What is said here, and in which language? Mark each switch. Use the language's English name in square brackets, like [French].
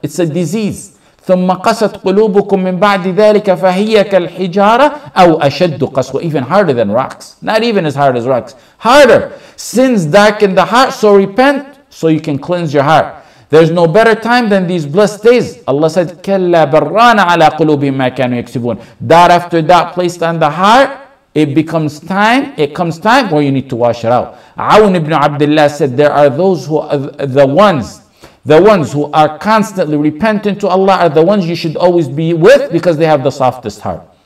[English] It's a disease. [Arabic] ثُمَّ قَسَتْ قُلُوبُكُمْ مِنْ بَعْدِ ذَلِكَ فَهِيَ كَالْحِجَارَةِ أَوْ أَشَدُّ قَسْوَةً. [English] Even harder than rocks. Not even as hard as rocks. Harder. Sins darken the heart, so repent, so you can cleanse your heart. There's no better time than these blessed days. Allah said, [Arabic] كَلَّا بَرَّانَ عَلَىٰ قُلُوبِهِمْ مَا كَانُوا يَكْسِبُونَ. [English] That after that placed on the heart, it comes time where you need to wash it out. Awn ibn Abdullah said, there are those who are the ones who are constantly repentant to Allah are the ones you should always be with because they have the softest heart.